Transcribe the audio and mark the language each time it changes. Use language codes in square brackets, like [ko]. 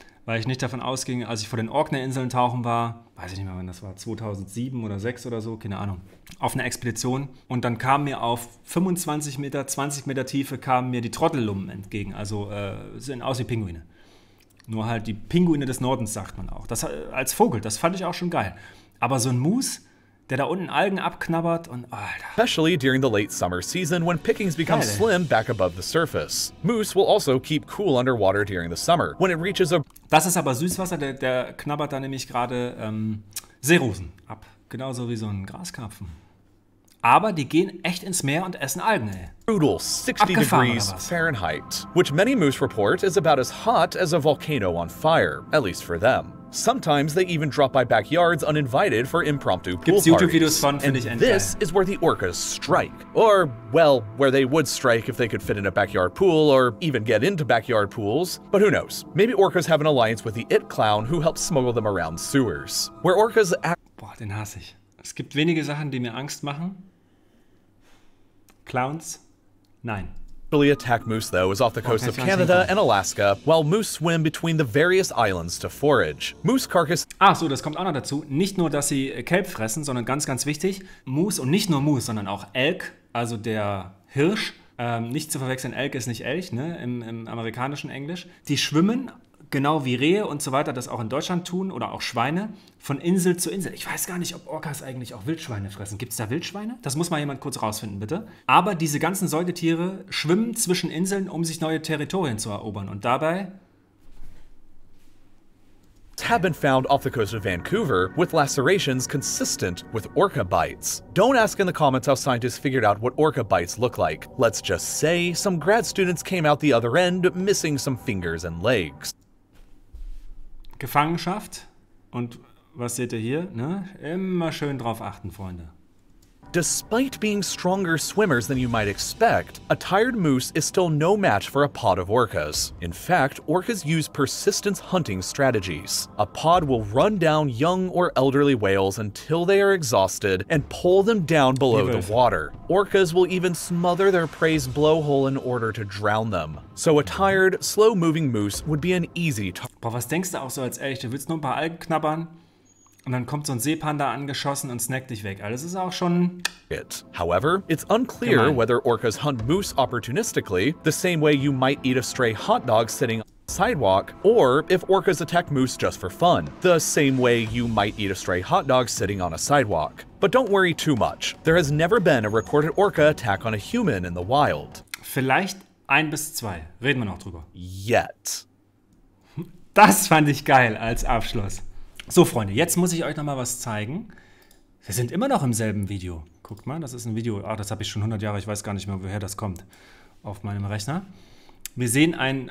[de] Weil ich nicht davon ausging, als ich vor den Orkney-Inseln tauchen war, weiß ich nicht mehr, wann das war, 2007 oder 6 oder so, keine Ahnung, auf einer Expedition. Und dann kamen mir auf 25 Meter, 20 Meter Tiefe, kamen mir die Trottellummen entgegen. Also sehen aus wie Pinguine. Nur halt die Pinguine des Nordens, sagt man auch. Das als Vogel, das fand ich auch schon geil. Aber so ein Moose, der da unten Algen abknabbert und oh, Alter. [en] Especially during the late summer season, when pickings become geil. Slim back above the surface. Moose will also keep cool underwater during the summer, when it reaches a... [de] Das ist aber Süßwasser, der knabbert da nämlich gerade Seerosen ab. Genauso wie so ein Graskarpfen. Aber die gehen echt ins Meer und essen Algen, ey. [en] Brutal 60 degrees Fahrenheit, which many moose report is about as hot as a volcano on fire, at least for them. Sometimes they even drop by backyards uninvited for impromptu pool parties. [de] Gibt's YouTube-Videos von, [en] and this is where the orcas strike. Or, well, where they would strike if they could fit in a backyard pool or even get into backyard pools. But who knows? Maybe orcas have an alliance with the It Clown who helps smuggle them around sewers. Where orcas act... [de] Boah, den hasse ich. Es gibt wenige Sachen, die mir Angst machen. Clowns? Nein. [en] Actually attack moose, though, is off the coast of Canada and Alaska, while moose swim between the various islands to forage. Moose carcass... [de] Ach so, das kommt auch noch dazu. Nicht nur, dass sie Kelp fressen, sondern ganz, ganz wichtig, Moose und nicht nur Moose, sondern auch Elk, also der Hirsch, nicht zu verwechseln, Elk ist nicht Elch, ne, im amerikanischen Englisch, die schwimmen, genau wie Rehe und so weiter, das auch in Deutschland tun, oder auch Schweine, von Insel zu Insel. Ich weiß gar nicht, ob Orcas eigentlich auch Wildschweine fressen. Gibt es da Wildschweine? Das muss mal jemand kurz rausfinden, bitte. Aber diese ganzen Säugetiere schwimmen zwischen Inseln, um sich neue Territorien zu erobern. Und dabei... [en] have been found off the coast of Vancouver with lacerations consistent with orca bites. Don't ask in the comments how scientists figured out what orca bites look like. Let's just say some grad students came out the other end missing some fingers and legs. [de] Gefangenschaft. Und was seht ihr hier? Ne? Immer schön drauf achten, Freunde. [en] Despite being stronger swimmers than you might expect, a tired moose is still no match for a pod of orcas. In fact, orcas use persistence hunting strategies. A pod will run down young or elderly whales until they are exhausted and pull them down below the water. Orcas will even smother their prey's blowhole in order to drown them. So a tired, slow-moving moose would be an easy target. [de] Boah, was denkst du auch so als Elch? Du willst nur ein paar Algen knabbern? Und dann kommt so ein Seepanda angeschossen und snackt dich weg. Alles ist auch schon... [en] It. However, it's unclear gemein. Whether orcas hunt moose opportunistically, the same way you might eat a stray hot dog sitting on the sidewalk, or if orcas attack moose just for fun, the same way you might eat a stray hot dog sitting on a sidewalk. But don't worry too much. There has never been a recorded orca attack on a human in the wild. [de] Vielleicht 1 bis 2. Reden wir noch drüber. [en] Yet. [de] Das fand ich geil als Abschluss. So, Freunde, jetzt muss ich euch noch mal was zeigen. Wir sind immer noch im selben Video. Guckt mal, das ist ein Video. Ach, das habe ich schon 100 Jahre. Ich weiß gar nicht mehr, woher das kommt auf meinem Rechner. Wir sehen ein...